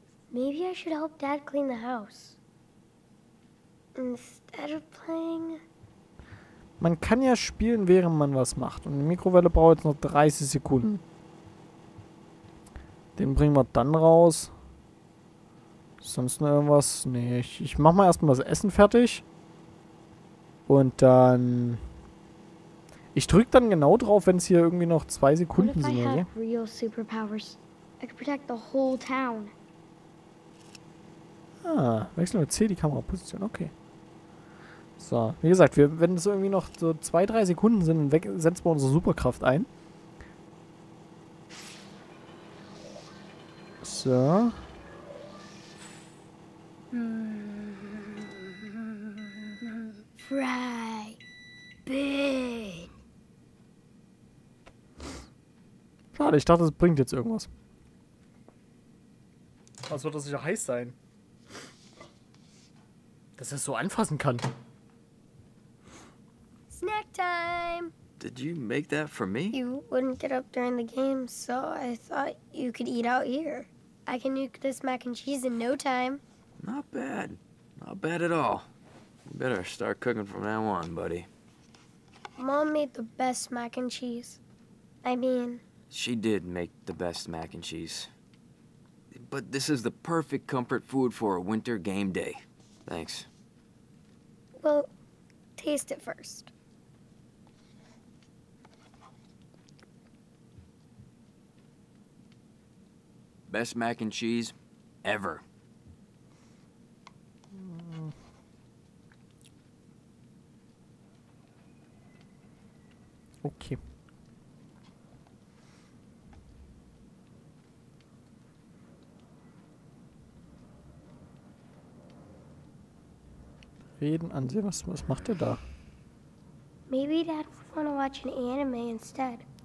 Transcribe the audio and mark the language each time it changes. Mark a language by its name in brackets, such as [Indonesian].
[English] Maybe I should help Dad clean the house. Instead of playing. [German] Man kann ja spielen, während man was macht. Und die Mikrowelle braucht jetzt noch 30 Sekunden. Den bringen wir dann raus. Sonst noch irgendwas? Nee, ich mach mal erstmal das Essen fertig. Und dann. Ich drück dann genau drauf, wenn es hier irgendwie noch 2 Sekunden sind, oder? [English] I have real superpowers. I could protect the whole town. [German] Ah, wechseln wir C die Kameraposition, okay. So, wie gesagt, wir, wenn es irgendwie noch so 2-3 Sekunden sind, setzen wir unsere Superkraft ein. So. [English] Fry. Bitch. [German] Schade, ich dachte, es bringt jetzt irgendwas. Was wird das sicher heiß sein? Dass er es so anfassen kann. [English] Snack time! Did you make that for me? You wouldn't get up during the game, so I thought you could eat out here. I can nuke this mac and cheese in no time. Not bad. Not bad at all. You better start cooking from now on, buddy. Mom made the best mac and cheese. She did make the best mac and cheese. But this is the perfect comfort food for a winter game day. Thanks. Well, taste it first. Best mac and cheese ever. Okay. [German] Reden an sie, was macht ihr da? [English] Maybe Dad would want to watch an anime instead.